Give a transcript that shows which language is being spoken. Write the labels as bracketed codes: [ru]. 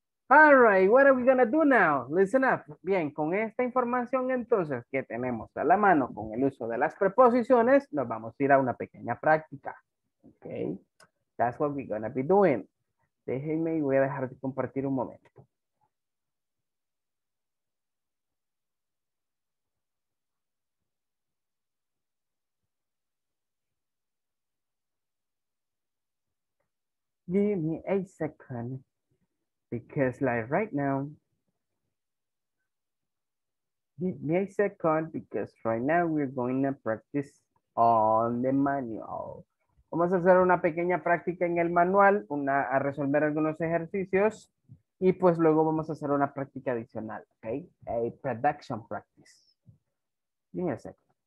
[en] All right, what are we gonna do now? Listen up. [es] Bien, con esta información entonces que tenemos a la mano con el uso de las preposiciones, nos vamos a ir a una pequeña práctica. [en] Okay, that's what we're gonna be doing. [es] Déjenme y voy a dejar de compartir un momento. [en] Give me a second, because like right now, give me a second, because right now we're going to practice on the manual. [es] Vamos a hacer una pequeña práctica en el manual, una a resolver algunos ejercicios, y pues luego vamos a hacer una práctica adicional, okay? [en] A production practice. Give me a second.